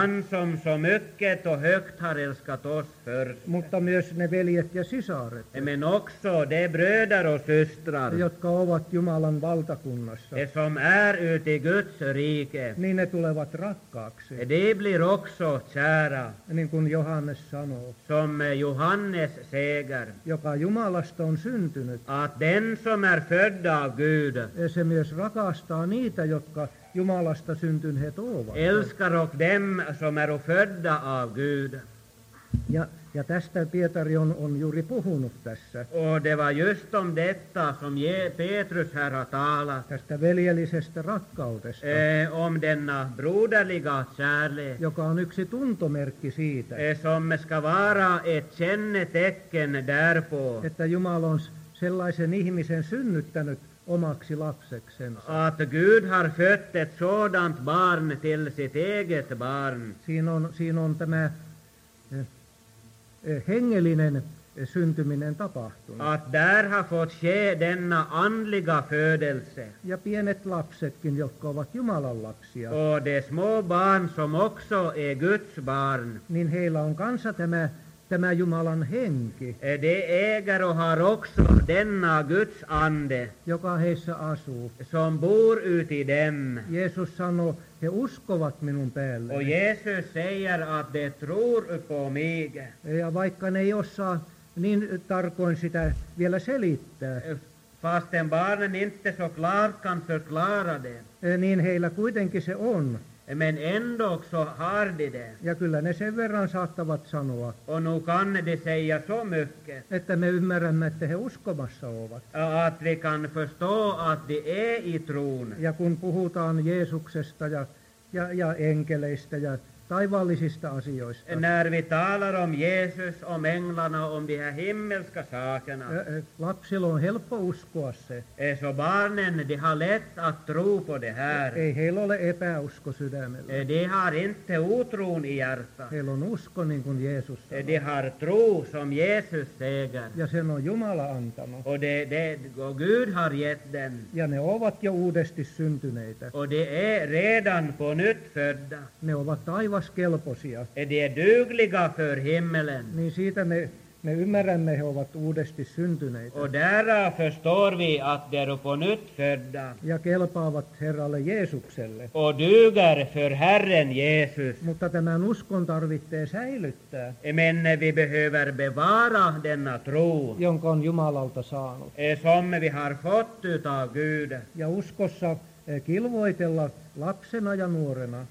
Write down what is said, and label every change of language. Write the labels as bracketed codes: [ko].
[sv] Han som så mycket och högt har älskat oss först. [fi] Mutta myös ne veljet ja sisaret. [sv] Men också de bröder och systrar. [fi] Jotka ovat Jumalan valtakunnassa. [sv] De som är ut i Guds rike. [fi] Niin ne tulevat rakkaaksi. [sv] De blir också kära. [fi] Niin kuin Johannes sanoo. [sv] Som Johannes säger. [fi] Joka Jumalasta on syntynyt. [sv] Att den som är född av Gud. [fi] Se myös rakastaa niitä, jotka Jumalasta syntyneet ovat. [sv] Älskar och dem som är födda av Gud. [fi] Ja tästä Pietari on juuri puhunut tässä. [sv] Och det var just om detta som Petrus här har talat. [fi] Tästä veljellisestä rakkaudesta. [sv] Om denna broderliga kärlek. [fi] Joka on yksi tuntomerkki siitä. [sv] Som ska vara ett kännetecken därpå. [fi] Että Jumala on sellaisen ihmisen synnyttänyt omaksi lapseksensa. [sv] Att Gud har fött ett sådant barn till sitt eget barn. [fi] Siinä on tämä hengellinen syntyminen tapahtunut. [sv] Att där har fått ske denna andliga födelse. [fi] Ja pienet lapsetkin, jotka ovat Jumalan lapsia. [sv] Och de små barn som också är Guds barn. [fi] Niin heillä on kanssa tämä Jumalan henki. [sv] De äger och har också denna Guds ande. [fi] Joka heissä asuu. [sv] Som bor ut i dem. [fi] Jeesus sanoo, he uskovat minun päälle. [sv] Och Jesus säger att de tror på mig. [fi] Ja vaikka ne ei osaa niin tarkoin sitä vielä selittää. [sv] Fastän barnen inte så klart kan förklara det. [fi] Niin heillä kuitenkin se on. [sv] Men ändå också har de det. [fi] Ja kyllä ne sen verran saattavat sanoa. [sv] Och nu kan de säga så mycket. [fi] Että me ymmärrämme, että he uskomassa ovat. [sv] Att vi kan förstå att de är i tron. [fi] Ja kun puhutaan Jeesuksesta ja enkeleistä ja taivaallisista asioista. [sv] När vi talar om Jesus, om änglarna, om de här himmelska sakerna. [fi] Lapsilla on helppo uskoa se. [sv] Så barnen, de har lätt att tro på det här. [fi] Ei heillä ole epäusko sydämellä. [sv] De har inte otron i hjärta. [fi] Heillä on usko, niin kuin Jeesus sanoo. [sv] De har tro, som Jesus säger. [fi] Ja sen on Jumala antanut. [sv] Och Gud har gett dem. [fi] Ja ne ovat jo uudesti syntyneitä. [sv] Och de är redan på nytt födda. [fi] Ne ovat aivaskelpoisia. [sv] De är dugliga för himmelen. [fi] Niin siitä me ymmärrämme, he ovat uudesti syntyneitä. [sv] Och därav förstår vi att de är på nytt födda. [fi] Ja kelpaavat Herralle Jeesukselle. [sv] Och duger för Herren Jesus. [fi] Mutta tämän uskon tarvitsee säilyttää. [sv] Men vi behöver bevara denna tro. [fi] Jonka on Jumalalta saanut. [sv] Som vi har fått utav Gud. [fi] Ja uskossa kilvoitella lapsena ja nuorena.